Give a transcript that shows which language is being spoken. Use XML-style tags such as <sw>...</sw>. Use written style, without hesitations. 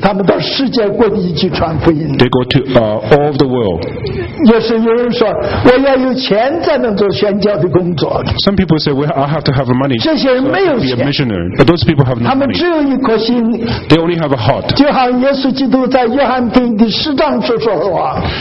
<zh>他们到世界各地去传福音,</zh> <en>they go to all the world.</en> <zh>也是有人说, 我要有钱才能做宣教的工作,</zh> <en>some people say, well, I have to have money,</en> <zh>这些人没有钱,</zh> <en>to be a missionary, but those people have no money.</en> <zh>只有一颗心,</zh> <en>they only have a heart.</en> <zh>就好像耶稣基督在约翰福音第十章所说的话,</zh>